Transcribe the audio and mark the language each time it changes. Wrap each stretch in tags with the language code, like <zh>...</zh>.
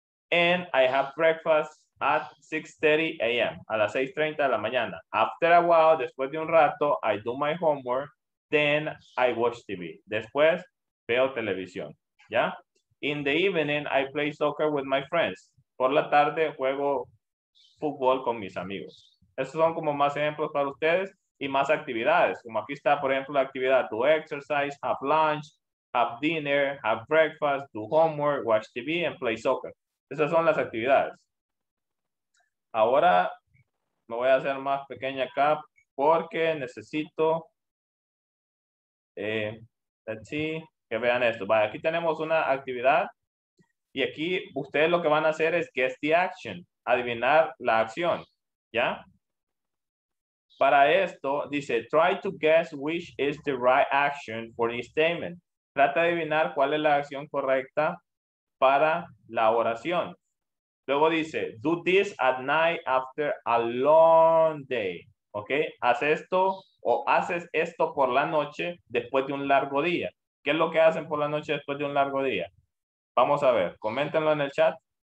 <en>And I have breakfast at 6:30 a.m.</en> <es>A las 6:30 de la mañana.</es> <en>After a while,</en> <es>después de un rato,</es> <en>I do my homework. Then I watch TV.</en> <es>Después veo televisión, ¿ya?</es> <en>In the evening, I play soccer with my friends.</en> <es>Por la tarde, juego fútbol con mis amigos. Estos son como más ejemplos para ustedes y más actividades. Como aquí está, por ejemplo, la actividad</es> <en>to exercise, have lunch, have dinner, have breakfast, do homework, watch TV, and play soccer.</en> <es>Esas son las actividades. Ahora me voy a hacer más pequeña acá porque necesito que vean esto. Vale, aquí tenemos una actividad y aquí ustedes lo que van a hacer es</es> <en>guess the action,</en> <es>adivinar la acción, ¿ya? Para esto dice,</es> <en>try to guess which is the right action for this statement.</en> <es>Trata de adivinar cuál es la acción correcta para la oración. Luego dice,</es> <en>do this at night after a long day.</en> <es>¿Ok? Haz esto o haces esto por la noche después de un largo día. ¿Qué es lo que hacen por la noche después de un largo día? Vamos a ver, coméntenlo en el chat.</es>